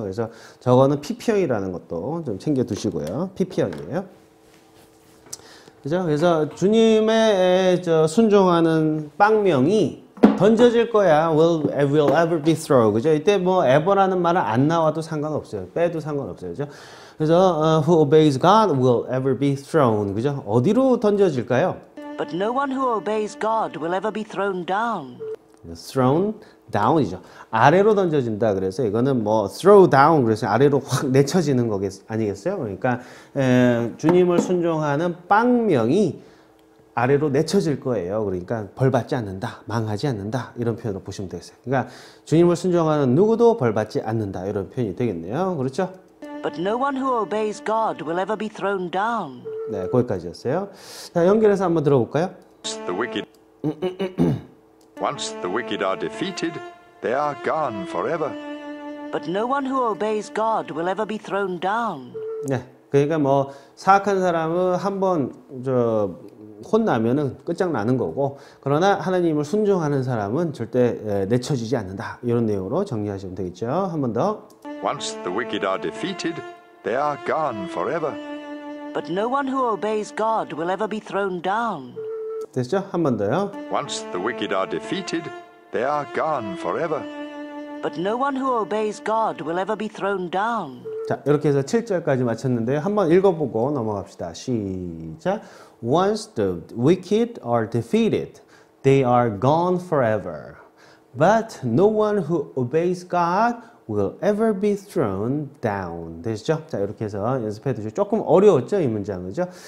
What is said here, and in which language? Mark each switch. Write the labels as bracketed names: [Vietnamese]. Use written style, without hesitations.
[Korean] 그래서 저거는 pp형이라는 것도 좀 챙겨 두시고요. pp형이에요. 그죠? 그래서 주님의 저 순종하는 빵명이 던져질 거야. [English] will ever be thrown. [Korean] 그죠? 이때 뭐 ever라는 말은 안 나와도 상관없어요. 빼도 상관없어요. 그죠? 그래서 [English] who obeys God will ever be thrown. [Korean] 그죠? 어디로 던져질까요? [English] But no one who obeys God will ever be thrown down. Thrown down [Korean] 이죠. 아래로 던져진다 그래서 이거는 뭐 throw down 그래서 아래로 확 내쳐지는 거겠 아니겠어요? 그러니까 주님을 순종하는 빵명이 아래로 내쳐질 거예요. 그러니까 벌 받지 않는다, 망하지 않는다 이런 표현으로 보시면 되겠어요. 그러니까 주님을 순종하는 누구도 벌 받지 않는다 이런 표현이 되겠네요. 그렇죠? [English] But no one who obeys God will ever be thrown down. [Korean] 네, 거기까지였어요. 자, 연결해서 한번 들어볼까요? [English] The wicked. Once the wicked are defeated, they are gone forever. But no one who obeys God will ever be thrown down. [Korean] 네, 그러니까 뭐 사악한 사람은 한번 저 혼나면은 끝장나는 거고 그러나 하나님을 순종하는 사람은 절대 내쳐지지 않는다. 이런 내용으로 정리하시면 되겠죠. 한번 더. [English] Once the wicked are defeated, they are gone forever. But no one who obeys God will ever be thrown down. [Korean] 됐죠? 한 번 더요. [English] Once the wicked are defeated, they are gone forever. But no one who obeys God will ever be thrown down. [Korean] 자, 이렇게 해서 7절까지 마쳤는데요. 한번 읽어보고 넘어갑시다. 시작. [English] Once the wicked are defeated, they are gone forever. But no one who obeys God will ever be thrown down. [Korean] 되시죠? 자, 이렇게 해서 연습해 두시고 조금 어려웠죠, 이 문장이죠?